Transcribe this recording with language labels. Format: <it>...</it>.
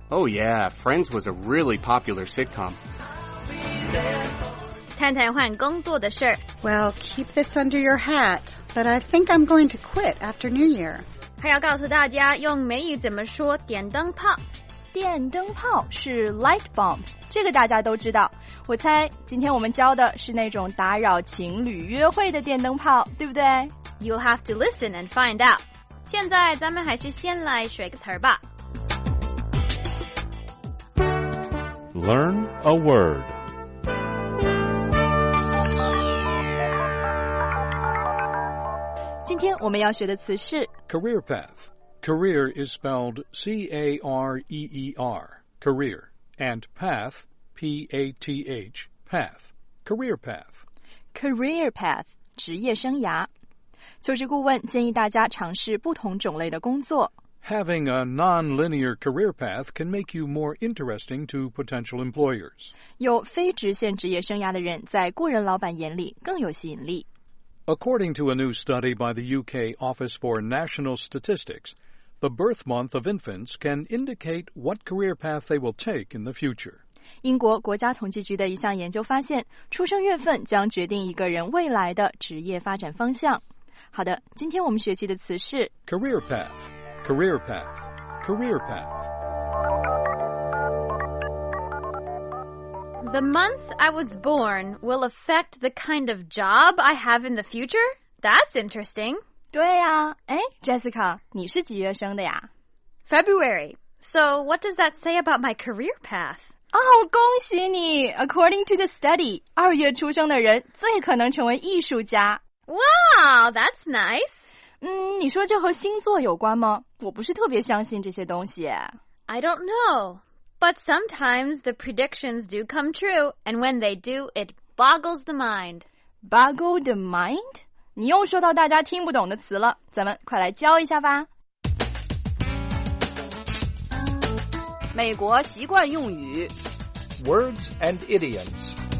<en>Oh yeah, Friends was a really popular sitcom。</en> <zh>探探换工作的事。</zh> <en>Well, keep this under your hat, but I think I'm going to quit after New Year。</en> <zh>还要告诉大家用美语怎么说电灯泡。电灯泡是 light bulb， 这个大家都知道。我猜今天我们教的是那种打扰情侣约会的电灯泡，对不对？</zh> <en>You'll have to listen and find out。</en> <zh>现在咱们还是先来学个词吧。</zh> <en>Learn a word。</en> <zh>今天我们要学的词是</zh> <en>career path。 Career is spelled C-A-R-E-E-R, career, and path, P-A-T-H, path, career path.</en> <zh>Career path, 职业生涯。求职顾问建议大家尝试不同种类的工作。</zh> <en>Having a non-linear career path can make you more interesting to potential employers.</en> <zh>有非直线职业生涯的人在雇人老板眼里更有吸引力。</zh> <en>According to a new study by the UK Office for National Statistics, the birth month of infants can indicate what career path they will take in the future.</en> <zh>英国国家统计局的一项研究发现，出生月份将决定一个人未来的职业发展方向。好的，今天我们学习的词是</zh> <en>career path, career path, career path. The month I was born will affect the kind of job I have in the future? That's interesting.</en> <zh>对呀、啊、Jessica, 你是几月生的呀？</zh> <en>February. So what does that say about my career path?</en> <zh>哦，恭喜你。</zh> <en>According to the study,</en> <zh>二月出生的人最可能成为艺术家。</zh> <en>Wow, that's nice.</en> <zh>你说这和星座有关吗？我不是特别相信这些东西。</zh> <en>I don't know. But sometimes the predictions do come true, and when they do, it boggles the mind. Boggle the mind?</en> <zh>你又说到大家听不懂的词了，咱们快来教一下吧。美国习惯用语。</zh> <en>Words and idioms.</en>